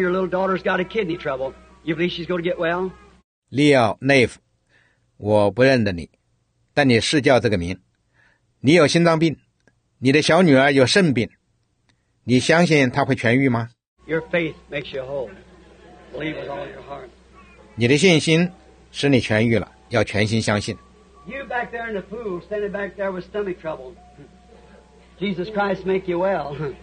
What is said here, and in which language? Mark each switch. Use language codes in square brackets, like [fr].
[en] Your little daughter's got a kidney trouble. You believe she's going to get well? [zh] Leo Neff, 我不认得你，但你是叫这个名。你有心脏病。你的小女儿有肾病，你相信她会痊愈吗 [en] ？Your faith makes you whole. Believe with all your heart. [zh] 你的信心使你痊愈了，要全心相信。 [en] You back there in the pool, standing back there with stomach trouble. Jesus Christ make you well.